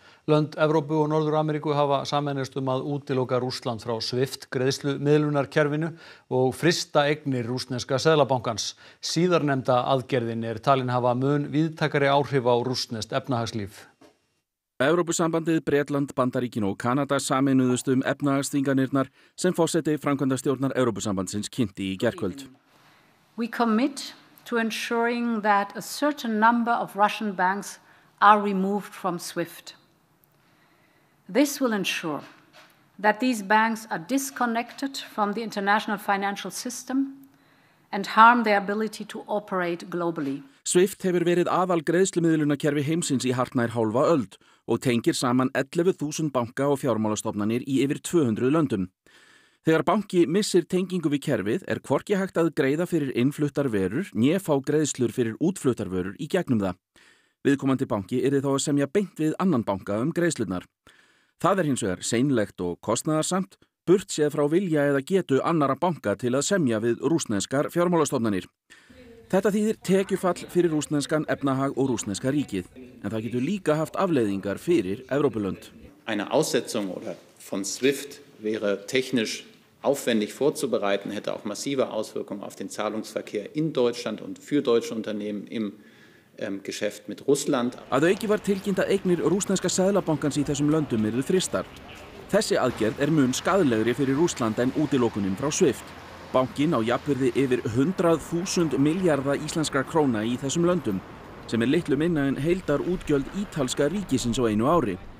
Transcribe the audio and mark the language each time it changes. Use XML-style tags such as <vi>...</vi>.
<is>Lönd Evrópu og Norður-Ameríku hafa sameinast að útiloka Rússland frá Swift greiðslumiðlunarkerfinu og frysta eignir rússneska seðlabankans. Síðarnefnda aðgerðin talin hafa mun víðtækari áhrif á rússneskt efnahagslíf. Evrópusambandið, Bretland, Bandaríkin og Kanada sameinuðust efnahagsþvinganirnar sem forseti framkvæmdastjórnar Evrópusambandsins kynnti í gærkvöld.</is> <en>We commit to ensuring that a certain number of Russian banks are removed from SWIFT. This will ensure that these banks are disconnected from the international financial system and harm their ability to operate globally.</en> <is>SWIFT hefur verið aðal greiðslumiðlunarkerfi heimsins í hartnær hálfa öld og tengir saman 11.000 banka og fjármálastofnanir í yfir 200 löndum. Þegar banki missir tengingu við kerfið hvorki hægt að greiða fyrir innfluttar vörur né fá greiðslur fyrir útfluttar vörur í gegnum það. Viðkomandi banki þó að semja beint við annan banka greiðslurnar. Það hins vegar seinlegt og kostnaðarsamt, burt séð frá vilja eða getu annarra banka til að semja við rússneskar fjármálastofnanir. Þetta þýðir tekjufall fyrir rússneskan efnahag og rússneska ríkið, en það getur líka haft afleiðingar fyrir Evrópulönd.</is> <de>Eine Aussetzung oder von SWIFT wäre technisch aufwendig vorzubereiten, hätte auch massive Auswirkungen auf den Zahlungsverkehr in Deutschland und für deutsche Unternehmen im Geschäft mit Russland.</de> <is>Að auki var tilkynnt að eignir rússneska seðlabankans í þessum löndum yrðu frystar. Þessi aðgerð mun skaðlegri fyrir Rússland en útilokunin frá SWIFT. Bankinn á jafnvirði yfir 100.000 milljarða íslenskra króna í þessum löndum, sem litlu minna en heildar útgjöld ítalska ríkisins á einu ári.</is>